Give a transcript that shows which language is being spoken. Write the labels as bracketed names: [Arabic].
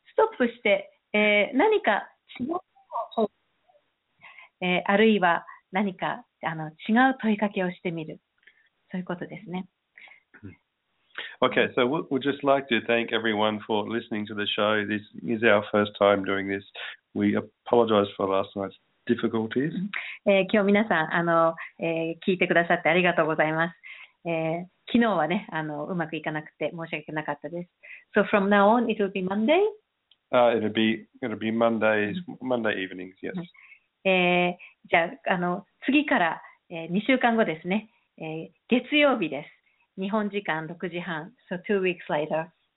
[Japanese] ストップして、何か違うあるいは何か違う問いかけをしてみる。そういうことですね。 [English] Okay, so we'd just like to thank everyone for listening to the show. This is our first time doing this. We apologize for last night's difficulties. [Japanese] 今日皆さん聞いてくださってありがとうございます。昨日はね、うまくいかなくて申し訳なかったです。 [English] So from now on, it will be Monday? It'll be Monday evenings, yes. [Japanese] じゃあ次から、2週間後ですね、月曜日です。日本時間6時半 [English] So 2 weeks later.